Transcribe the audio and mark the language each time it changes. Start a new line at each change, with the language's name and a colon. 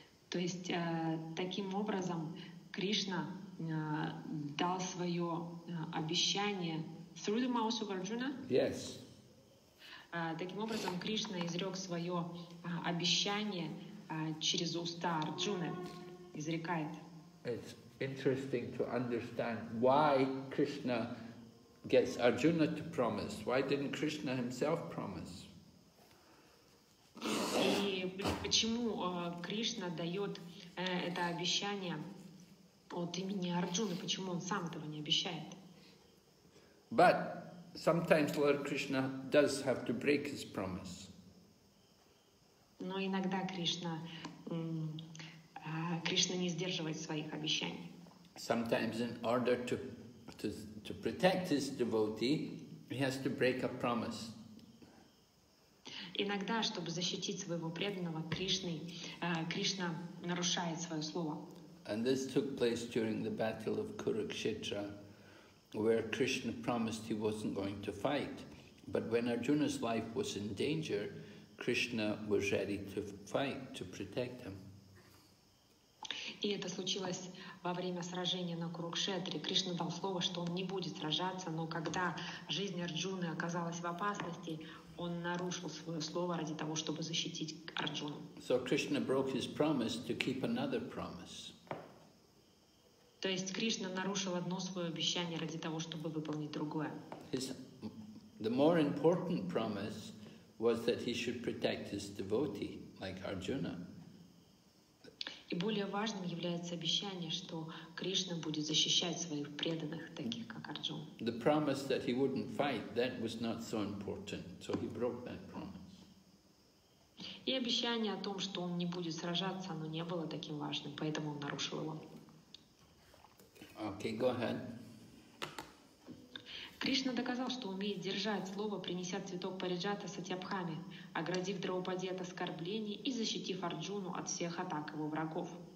Russian: То есть таким образом Кришна дал свое обещание
English: through the mouth of Arjuna. Yes.
Russian: Таким образом, Кришна изрек свое обещание через уста Арджуны. Изрекает.
English: It's interesting to understand why Krishna gets Arjuna to promise. Why didn't Krishna himself promise?
Russian: И почему Кришна дает это обещание от имени Арджуны, почему он сам этого не обещает?
English: But sometimes Lord Krishna does have to break his promise.
Russian: Но иногда Кришна не сдерживает своих обещаний.
English: Sometimes in order to protect his devotee, he has to break a promise.
Russian: Иногда, чтобы защитить своего преданного, Кришна нарушает свое слово.
English: And this took place during the battle of Kurukshetra, where Krishna promised he wasn't going to fight. But when Arjuna's life was in danger, Krishna was ready to fight to protect him.
Russian: И это случилось во время сражения на Курукшетре. Кришна дал слово, что он не будет сражаться, но когда жизнь Арджуны оказалась в опасности, он нарушил свое слово ради того, чтобы защитить Арджуну.
English: So Krishna broke his promise to keep another promise.
Russian: То есть Кришна нарушил одно свое обещание ради того, чтобы выполнить другое.
English: The more important promise was that he should protect his devotee, like Arjuna.
Russian: И более важным является обещание, что Кришна будет защищать своих преданных, таких как Арджуна.
English: The promise that he wouldn't fight, that was not so important, so he broke that promise.
Russian: И обещание о том, что он не будет сражаться, оно не было таким важным, поэтому он нарушил его.
English: Okay, go ahead.
Russian: Кришна доказал, что умеет держать слово, принеся цветок Париджата Сатьябхаме, оградив Драупади от оскорблений и защитив Арджуну от всех атак его врагов.